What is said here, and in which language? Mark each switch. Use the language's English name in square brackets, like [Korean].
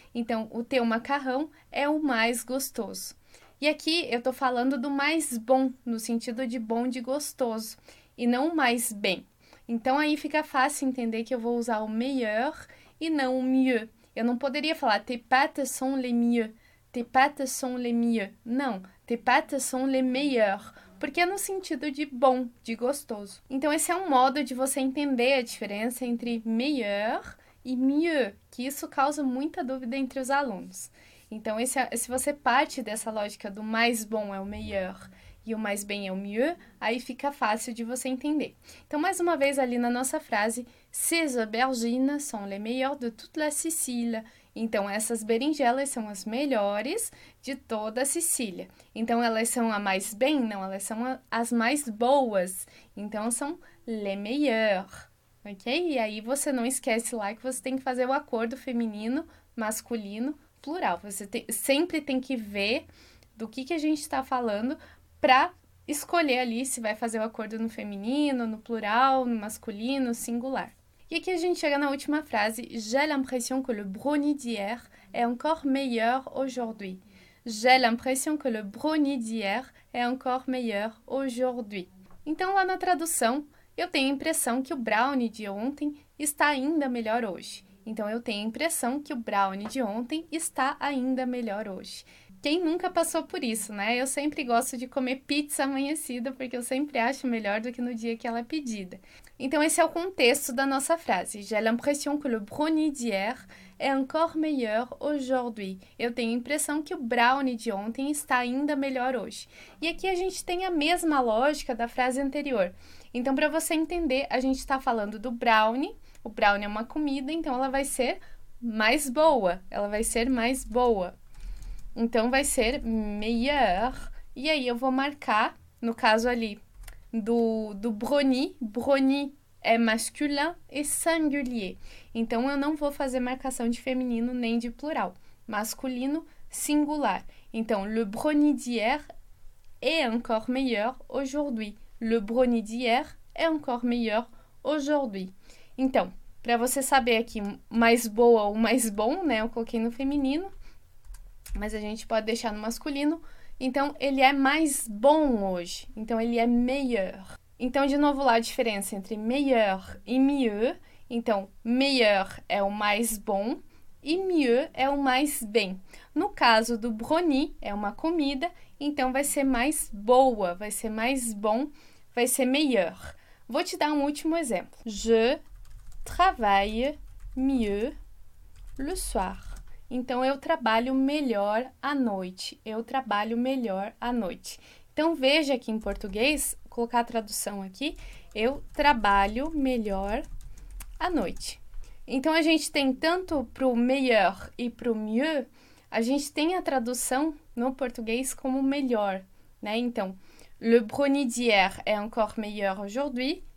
[Portuguese] Então, o teu macarrão é o mais gostoso. E aqui eu estou falando do mais bom, no sentido de bom, de gostoso, e não o mais bem. Então, aí fica fácil entender que eu vou usar o meilleur e não o mieux. Eu não poderia falar [French] tes pâtes sont les mieux. Tes pâtes sont les mieux. [Portuguese] Não, [French] tes pâtes sont les meilleures. [Portuguese] Porque é no sentido de bom, de gostoso. Então, esse é um modo de você entender a diferença entre meilleur e mieux, que isso causa muita dúvida entre os alunos. Então, se você parte dessa lógica do mais bom é o meilleur e o mais bem é o mieux, aí fica fácil de você entender. Então, mais uma vez ali na nossa frase, [French] ces aubergines sont les meilleures de toute la Sicile. [Portuguese] Então, essas berinjelas são as melhores de toda a Sicília. Então, elas são a mais bem? Não, elas são as mais boas. Então, são [French] les meilleures. [Portuguese] Ok? E aí você não esquece lá que você tem que fazer o acordo feminino, masculino, plural. Você sempre tem que ver do que a gente está falando para escolher ali se vai fazer o acordo no feminino, no plural, no masculino, singular. E aqui a gente chega na última frase. [French] J'ai l'impression que le brownie d'hier est encore meilleur aujourd'hui. J'ai l'impression que le brownie d'hier est encore meilleur aujourd'hui. [Portuguese] Então, lá na tradução, eu tenho a impressão que o brownie de ontem está ainda melhor hoje. Então, eu tenho a impressão que o brownie de ontem está ainda melhor hoje. Quem nunca passou por isso, né? Eu sempre gosto de comer pizza amanhecida porque eu sempre acho melhor do que no dia que ela é pedida. Então, esse é o contexto da nossa frase. [French] J'ai l'impression que le brownie d'hier est encore meilleur aujourd'hui. [Portuguese] Eu tenho a impressão que o brownie de ontem está ainda melhor hoje. E aqui a gente tem a mesma lógica da frase anterior. Então, para você entender, a gente está falando do brownie. O brownie é uma comida, então ela vai ser mais boa. Ela vai ser mais boa. Então vai ser meilleur. E aí eu vou marcar, no caso ali, do brownie. Brownie é masculin e singulier. Então eu não vou fazer marcação de feminino nem de plural. Masculino, singular. [French] Então, le brownie d'hier est encore meilleur aujourd'hui. Le brownie d'hier est encore meilleur aujourd'hui. [Portuguese] Então, para você saber aqui mais boa ou mais bom, né? Eu coloquei no feminino, mas a gente pode deixar no masculino. Então, ele é mais bom hoje. Então, ele é meilleur. Então, de novo lá a diferença entre meilleur e mieux. Então, meilleur é o mais bom e mieux é o mais bem. No caso do brownie, é uma comida, então vai ser mais boa, vai ser mais bom, vai ser meilleur. Vou te dar um último exemplo. [French] Je travaille mieux le soir. [Portuguese] Então, eu trabalho melhor à noite. Eu trabalho melhor à noite. Então, veja aqui em português, vou colocar a tradução aqui. Eu trabalho melhor à noite. Então, a gente tem tanto para o meilleur e para o mieux, a gente tem a tradução no português como melhor, né? [French] Então, le brownie d'hier est encore meilleur aujourd'hui.